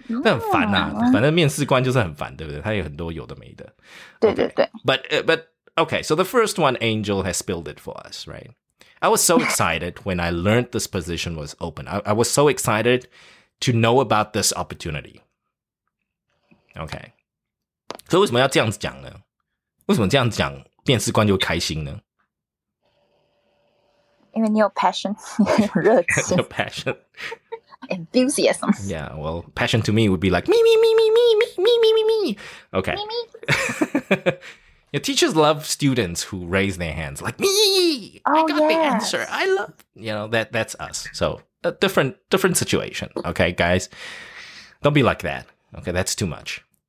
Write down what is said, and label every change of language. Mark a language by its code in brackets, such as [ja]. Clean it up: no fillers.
[zh] 那很烦啊,反正面试官就是很烦,对不对?他有很多有的没的。对对对。 [en] But, okay, so the first one, Angel has spilled it for us, right? I was so excited when I learned this position was open. I was so excited to know about this opportunity. Okay. [zh] 所以为什么要这样子讲呢?为什么这样讲,面试官就开心呢? 因为你有 passion, 热情。 [en] Your passion. Enthusiasm. Yeah, well, passion to me would be like, me, me, me, me, me, me, me, me, me. Okay. Me, me. Your teachers love students who raise their hands, like me. I got the answer. I love, that's us. So a different situation. Okay, guys, don't be like that. Okay, that's too much.